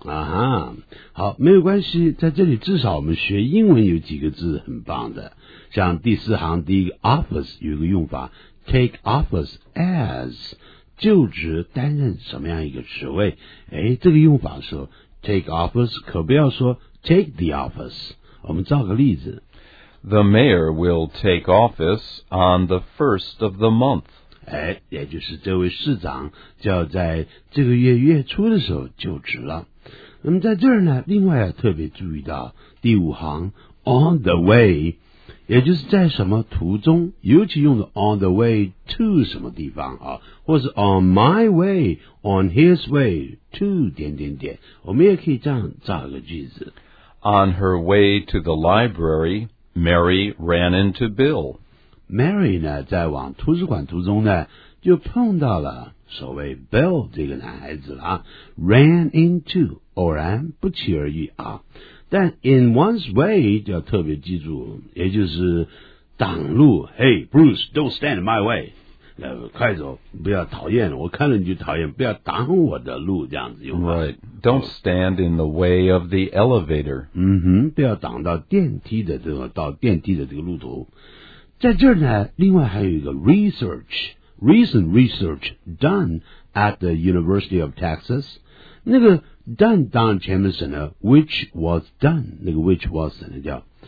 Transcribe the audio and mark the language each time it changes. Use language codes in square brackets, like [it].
[zh] 啊哈，好，没有关系，在这里至少我们学英文有几个字很棒的，像第四行第一个 office 有个用法 ， [en] take office as [zh] 就职担任什么样一个职位？哎，这个用法说 [en] take office [zh] 可不要说 [en] take the office。 [zh] 我们造个例子。 [en] The mayor will take office on the first of the month. [zh] 哎，也就是这位市长就要在这个月月初的时候就职了。那么在这儿呢，另外要特别注意到第五行 [en] on the way， [zh] 也就是在什么途中，尤其用的 [en] on the way to [zh] 什么地方啊，或是 [en] on my way, on his way to [zh] 点点点，我们也可以这样造一个句子。 [en] On her way to the library. Mary ran into Bill. [zh] Mary 呢，在往图书馆途中呢，就碰到了所谓 Bill 这个男孩子了啊。 [en] Ran into [zh] 偶然不期而遇啊，但 [en] in one's way [zh] 就要特别记住，也就是挡路。 [en] Hey Bruce, don't stand in my way. [zh] 快走，不要讨厌，我看了你就讨厌，不要挡我的路，这样子用法。 [en] Right. Don't stand in the way of the elevator. [zh] 嗯哼，不要挡到电梯的这个到电梯的这个路途。在这儿呢，另外还有一个 research, [en] recent research done at the University of Texas. [zh] 那个 done 当然前面是呢 [en] which was done, [zh] 那个 [en] which was [zh] 省略掉。